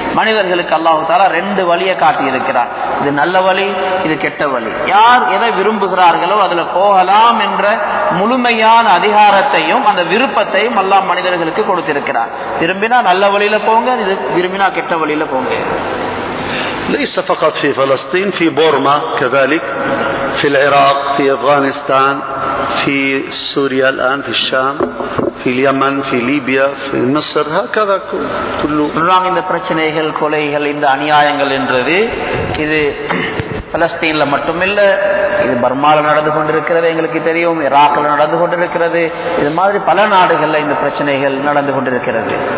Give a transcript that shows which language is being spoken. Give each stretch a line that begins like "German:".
Tamil: மனிதர்களுக்கு அல்லாஹு தஆலா ரெண்டு வழியை காட்டியிருக்கிறான். இது நல்ல வழி, இது கெட்ட வழி. யார் எதை விரும்புகிறார்களோ அதில் போகலாம் என்ற முழுமையான அதிகாரத்தையும் அந்த விருப்பத்தையும் அல்லாஹ் மனிதர்களுக்கு கொடுத்திருக்கிறான். விரும்பினா நல்ல வழியில் போங்க, இது விரும்பினா கெட்ட வழியில் போங்க.
Arabic: ليس فقط في فلسطين، في بورما كذلك، في العراق، في أفغانستان، في سوريا الآن، في الشام، في اليمن، في ليبيا، في مصر، هكذا كله.
Tamil: نعم، இந்த பிரச்சனைகள், கொலைகள், இந்த அநியாயங்கள் என்றது இது பலஸ்தீன்ல மட்டுமில்ல, இது பர்மால நடந்து கொண்டிருக்கிறது எங்களுக்கு தெரியும், இராக்ல நடந்து கொண்டிருக்கிறது, இது மாதிரி பல நாடுகள்ல இந்த பிரச்சனைகள் நடந்து கொண்டிருக்கிறது.